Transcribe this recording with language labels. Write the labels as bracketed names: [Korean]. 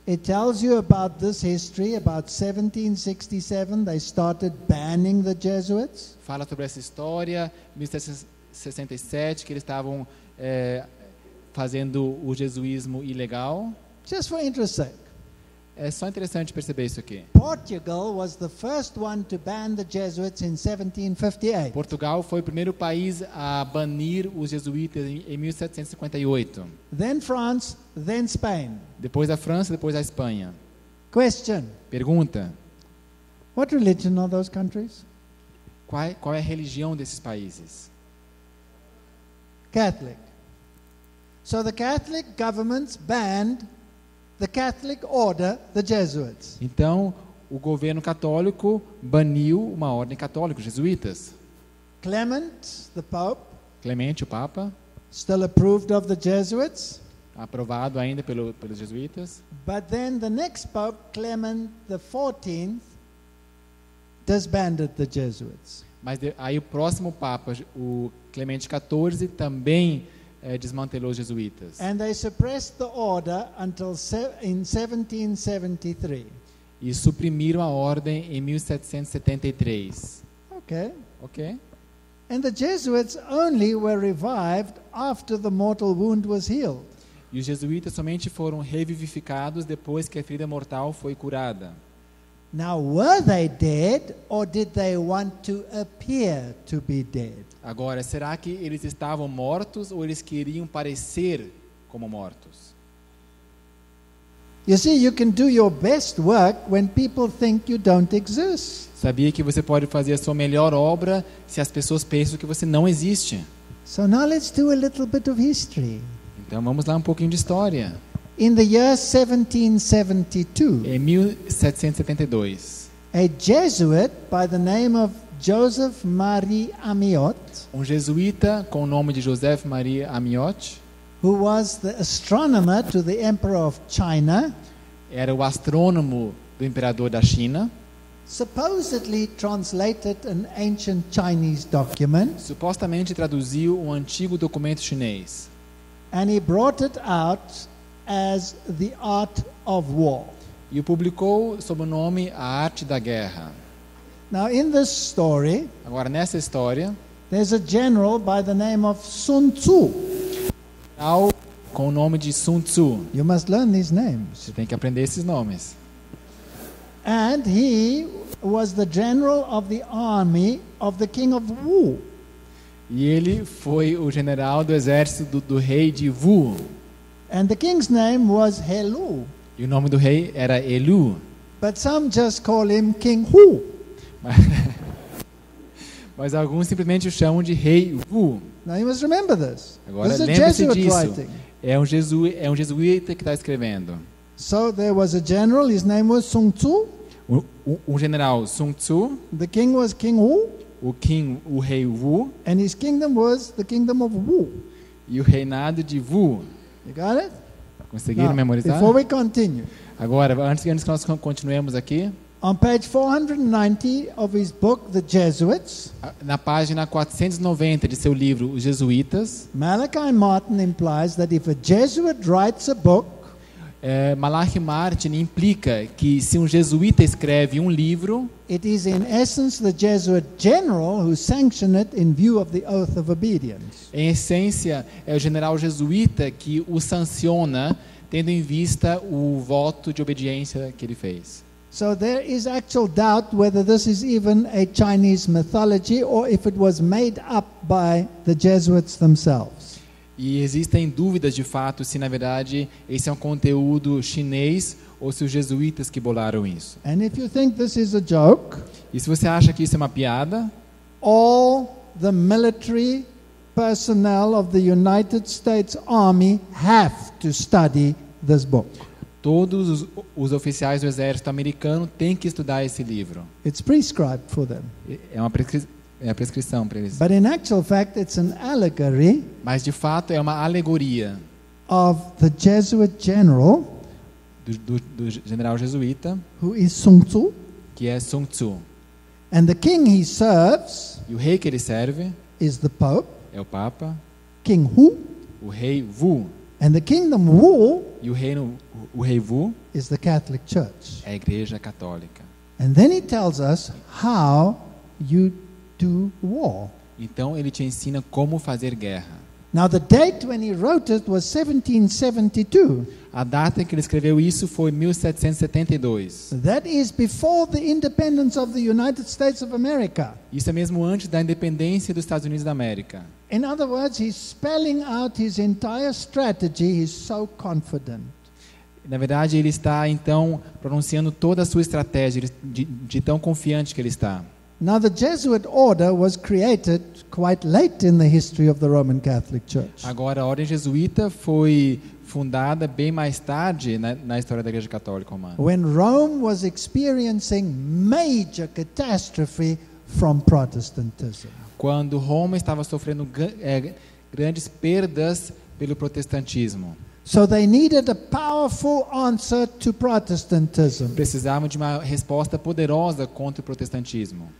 [English] it tells you about this history about 1767 they started banning the Jesuits. [Portuguese] Fala sobre essa história, 1767 que eles estavam fazendo o jesuísmo ilegal. [English] Just for interest's sake. [Portuguese] É só interessante perceber isso aqui. [English] Portugal was the first one to ban the Jesuits in 1758. [Portuguese] Portugal foi o primeiro país a banir os jesuítas em 1758. [English] Then France, then Spain. [Portuguese] Depois a França, depois a Espanha. [English] Question. [Portuguese] Pergunta. [English] What religion are those countries? [Portuguese] Qual é a religião desses países? [English] Catholic. So the Catholic governments banned the Catholic order, the Jesuits. [Portuguese] Então, o governo católico baniu uma ordem católica, os jesuítas. [English] Clement, the Pope. [Portuguese] Clemente, o Papa. [English] Still approved of the Jesuits. [Portuguese] Aprovado ainda pelos jesuítas. [English] But then the next Pope, Clement the 14th, disbanded the Jesuits. [Portuguese] Mas aí o próximo Papa, o Clemente 14, também desmantelou os jesuítas. [English] And they suppressed the order until in 1773. [Portuguese] E suprimiram a ordem em 1773. [English] Okay. Okay. And the Jesuits only were revived after the mortal wound was healed. [Portuguese] E os jesuítas somente foram revivificados depois que a ferida mortal foi curada. [English] Now were they dead or did they want to appear to be dead? [Portuguese] Agora, será que eles estavam mortos ou eles queriam parecer como mortos? [English] You see, you can do your best work when people think you don't exist. [Portuguese] Sabia que você pode fazer a sua melhor obra se as pessoas pensam que você não existe. [English] So now let's do a little bit of history. [Portuguese] Então vamos lá um pouquinho de história. [English] In the year 1772. [Portuguese] Em 1772. [English] A Jesuit by the name of Joseph Marie Amiot, [Portuguese] um jesuíta com o nome de Joseph Marie Amiot, [English] who was the astronomer to the Emperor of China, [Portuguese] era o astrônomo do imperador da China, [English] supposedly translated an ancient Chinese document. [Portuguese] Supostamente traduziu um antigo documento chinês. [English] And he brought it out as the Art of War. [Portuguese] E o publicou sob o nome A Arte da Guerra. [English] Now in this story, [Portuguese] agora nessa história, [English] there's a general by the name of Sun Tzu. [Portuguese] Com o nome de Sun Tzu. [English] You must learn these names. [Portuguese] Você tem que aprender esses nomes. [English] And he was the general of the army of the king of Wu. [Portuguese] E ele foi o general do exército do rei de Wu. [English] And the king's name was Helu. [Portuguese] E o nome do rei era Helu. [English] But some just call him King Wu. [Portuguese] Mas alguns simplesmente o chamam de rei Wu. [English] Now you must remember this. [Portuguese] Agora lembre-se disso. É um jesuíta que está escrevendo. [English] So there was a general, his name was Sun Tzu. [Portuguese] General Sun Tzu. [English] The king was King Wu. [Portuguese] O rei Wu. [English] And his kingdom was the kingdom of Wu. [Portuguese] E o reinado de Wu. [English] You got it? [Portuguese] Conseguiram memorizar? [English] Before we continue. [Portuguese] Agora, antes que nós continuemos aqui. [English] On page 490 of his book, The Jesuits. [Portuguese] Na página 490 de seu livro, Os Jesuítas. [English] Malachi Martin implies that if a Jesuit writes a book, [Portuguese] Malachi Martin implica que se um jesuíta escreve um livro, [English] it is in essence the Jesuit general who sanctioned it in view of the oath of obedience. [Portuguese] Em essência, é o general jesuíta que o sanciona tendo em vista o voto de obediência que ele fez. [English] So there is actual doubt whether this is even a Chinese mythology or if it was made up by the Jesuits themselves. [Portuguese] E existem dúvidas de fato se na verdade esse é um conteúdo chinês ou se os jesuítas que bolaram isso. [English] And if you think this is a joke, [Portuguese] e se você acha que isso é uma piada, [English] all the military personnel of the United States Army have to study this book. [Portuguese] Todos os oficiais do exército americano têm que estudar esse livro. [English] It's prescribed for them. [Portuguese] É uma prescrição para eles. [English] But in actual fact, it's an allegory. [Portuguese] Mas de fato é uma alegoria. [English] Of the Jesuit general. [Portuguese] Do general jesuíta. [English] Who is Sun Tzu? [Portuguese] Que é Sun Tzu. [English] And the king he serves. [Portuguese] E o rei que ele serve. [English] Is the Pope. [Portuguese] É o Papa. [English] King Wu. [Portuguese] O rei Wu. [English] And the kingdom Wu. [Portuguese] E o rei Wu [English] is the Catholic Church. [Portuguese] É a Igreja Católica. [English] And then he tells us how you do war. [Portuguese] Então ele te ensina como fazer guerra. [English] Now the date when he wrote it was 1772. [Portuguese] A data em que ele escreveu isso foi 1772. [English] That is before the independence of the United States of America. [Portuguese] Isso é mesmo antes da independência dos Estados Unidos da América. [English] In other words, he's spelling out his entire strategy. He's so confident. [Portuguese] Na verdade, ele está então pronunciando toda a sua estratégia de tão confiante que ele está. [English] Now the Jesuit order was created quite late in the history of the Roman Catholic Church. [Portuguese] Agora a ordem jesuíta foi fundada bem mais tarde na história da Igreja Católica Romana. [English] When Rome was experiencing major catastrophe from Protestantism. [Portuguese] Quando Roma estava sofrendo grandes perdas pelo protestantismo. [English] So they needed a powerful answer to Protestantism. [Portuguese] Precisavam de uma resposta poderosa contra o protestantismo.